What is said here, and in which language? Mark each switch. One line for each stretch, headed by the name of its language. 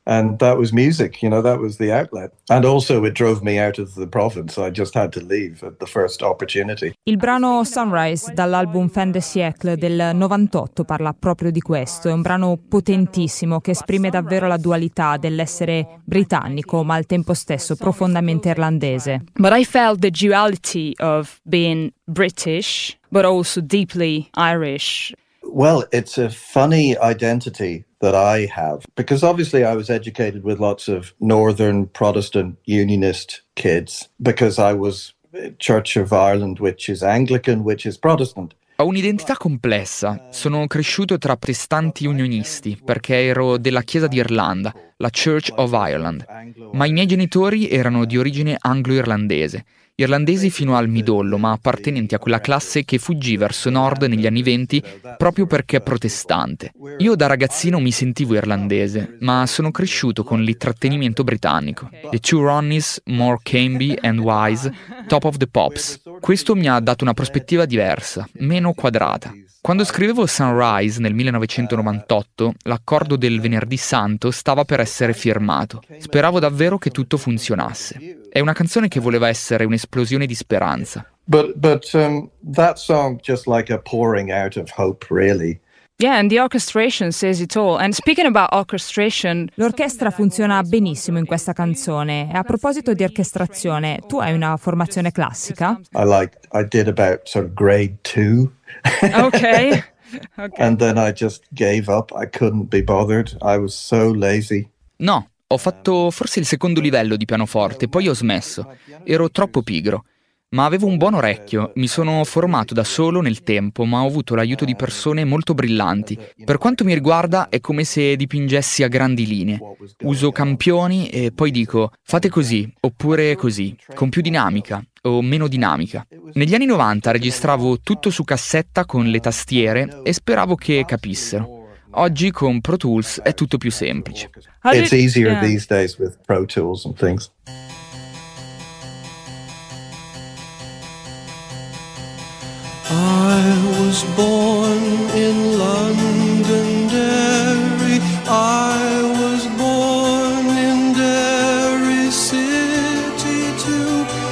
English: And that was music, you know, that was the outlet. And also it drove me out of the province. I just had to leave at the first opportunity.
Italian: Il brano Sunrise dall'album Fin de siècle del 98 parla proprio di questo. È un brano potentissimo che esprime davvero la dualità dell'essere britannico, ma al tempo stesso profondamente irlandese.
English: But I felt the duality of being British, but also deeply Irish. Well, it's a funny identity that I have, because obviously I was educated with lots of Northern Protestant Unionist kids, because I was Church of Ireland, which is Anglican, which is Protestant.
Italian: Ho un'identità complessa. Sono cresciuto tra protestanti unionisti, perché ero della Chiesa d'Irlanda, la Church of Ireland. Ma i miei genitori erano di origine anglo-irlandese. Irlandesi fino al midollo, ma appartenenti a quella classe che fuggì verso nord negli anni venti proprio perché protestante. Io da ragazzino mi sentivo irlandese, ma sono cresciuto con l'intrattenimento britannico.
English: The Two Ronnies, More Cambie and Wise, Top of the Pops.
Italian: Questo mi ha dato una prospettiva diversa, meno quadrata. Quando scrivevo Sunrise nel 1998, l'accordo del Venerdì Santo stava per essere firmato. Speravo davvero che tutto funzionasse. È una canzone che voleva essere un'esplosione di speranza.
English: But that song just like a pouring out of hope, really. Yeah, and the orchestration says it all. And speaking about orchestration,
Italian: l'orchestra funziona benissimo in questa canzone. E a proposito di orchestrazione, tu hai una formazione classica?
English: I did about sort of grade 2. Okay. And then I just gave up. I couldn't be bothered. I was so lazy.
Italian: No, ho fatto forse il secondo livello di pianoforte, poi ho smesso. Ero troppo pigro. Ma avevo un buon orecchio, mi sono formato da solo nel tempo, ma ho avuto l'aiuto di persone molto brillanti. Per quanto mi riguarda, è come se dipingessi a grandi linee. Uso campioni e poi dico, fate così, oppure così, con più dinamica o meno dinamica. Negli anni 90 registravo tutto su cassetta con le tastiere e speravo che capissero. Oggi con Pro Tools è tutto più semplice.
English: It's easier these days with Pro Tools and things. I was born in Londonderry, I was born in Derry City too.